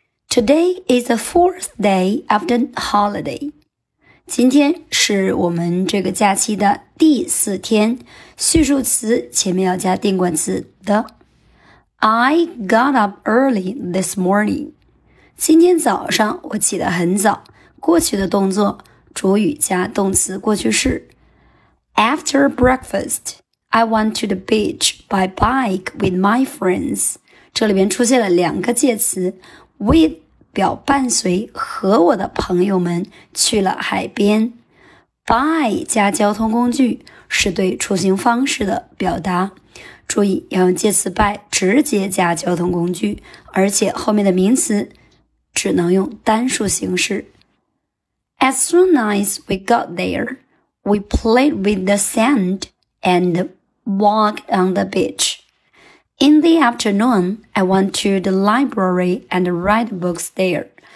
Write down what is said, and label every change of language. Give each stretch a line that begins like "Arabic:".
English: Today is the fourth day of the holiday.
Chinese: 今天是我们这个假期的第四天，序数词前面要加定冠词 the。
English: I got up early this morning.
Chinese: 今天早上我起得很早。过去的动作，主语加动词过去式。
English: After breakfast, I went to the beach by bike with my friends.
Chinese: 这里边出现了两个介词 with 表伴随，和我的朋友们去了海边。 By 加交通工具是对出行方式的表达。注意要用介词 by 直接加交通工具，而且后面的名词只能用单数形式。
English: As soon as we got there, we played with the sand and walked on the beach. In the afternoon, I went to the library and read books there.